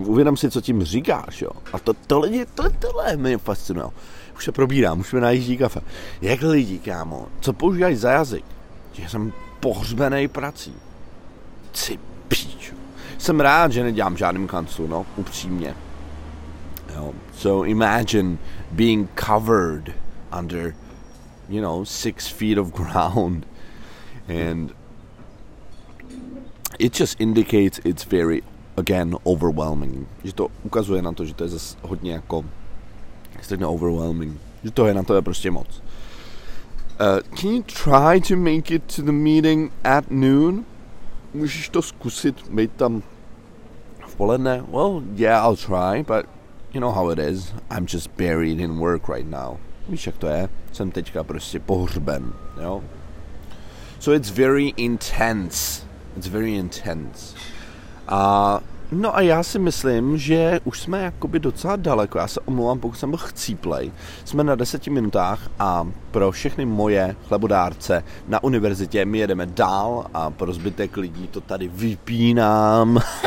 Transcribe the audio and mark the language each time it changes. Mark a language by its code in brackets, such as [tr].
[cs] Uvědom si, co tím říkáš, jo? A tohle mě fascinuje. Už se probírám, už mi najíždí kafe. Jak lidi, kámo, co používají za jazyk? Že jsem pohřbený prací. Ty píču. Jsem rád, že nedělám žádným kanclu, no, upřímně. [en] So imagine being covered under, you know, 6 feet of ground. And it just indicates it's very, again, overwhelming. [cs] Že to ukazuje na to, že to je zase hodně jako [en] extremely overwhelming. [cs] Že to je na to je prostě moc. [en] Can you try to make it to the meeting at noon? [cs] Můžeš to zkusit mít tam v poledne? [en] Well, yeah, I'll try, but you know how it is. I'm just buried in work right now. [cs] Víš, jak to je? Jsem teďka prostě pohřben, jo? [en] So it's very intense. It's very intense. [cs] No a já si myslím, že už jsme jakoby docela daleko. Já se omlouvám, pokud jsem byl chcíplej. Jsme na 10 minutách a pro všechny moje chlebodárce na univerzitě my jedeme dál a pro zbytek lidí to tady vypínám.